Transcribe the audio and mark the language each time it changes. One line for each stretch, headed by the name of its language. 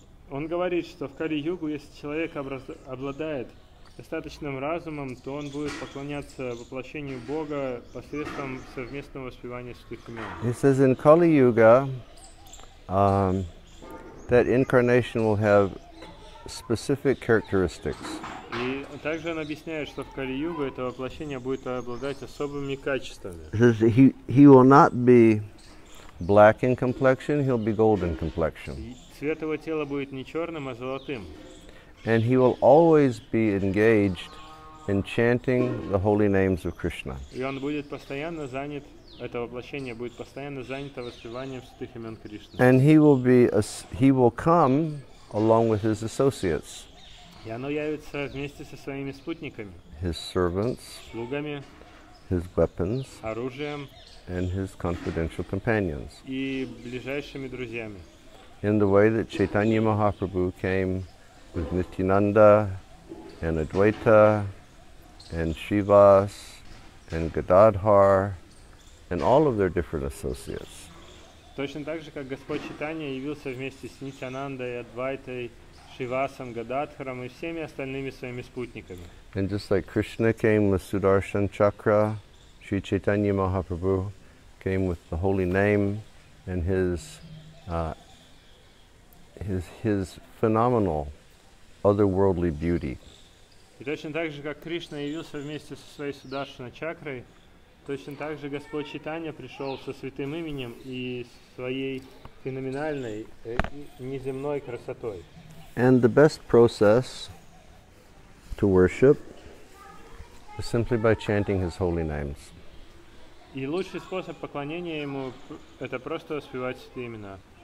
Russian: Он говорит, что в Кали Югу, если человек обладает достаточным разумом, то он будет поклоняться воплощению Бога посредством совместного воспевания святых имен.
English: He says in Kali Yuga that incarnation will have specific characteristics.
Russian: И также он объясняет, что в Кали Юга это воплощение будет обладать особыми качествами.
English: He says he will not be black in complexion, he'll be golden complexion.
Russian: Цвет его тела будет не черным, а золотым.
English: And he will always be engaged in chanting the holy names of Krishna.
Russian: И он будет постоянно занят, это воплощение будет постоянно занято воспеванием святых имен Кришны.
English: And he will come along with his associates.
Russian: И оно явится вместе со своими спутниками.
English: His servants.
Russian: Слугами.
English: His weapons.
Russian: Оружием.
English: And his confidential companions.
Russian: И ближайшими друзьями.
English: In the way that Chaitanya Mahaprabhu came with Nityananda and Advaita and Shivas and Gadadhar and all of their different associates.
Russian: Точно так же, как Господь Чайтанья явился вместе с Нитянандой, Адвайтой, Шивасом, Гададхаром и всеми остальными своими спутниками.
English: And just like Krishna came with Sudarshan Chakra, Sri Chaitanya Mahaprabhu came with the holy name and his phenomenal otherworldly beauty.
Russian: И точно так же, как Кришна явился вместе со своей Сударшана чакрой, точно так же Господь Чайтанья пришел со святым именем и своей феноменальной неземной красотой.
English: And the best process to worship is simply by chanting his holy names.
Russian: И лучший способ поклонения ему — это просто воспевать святые имена.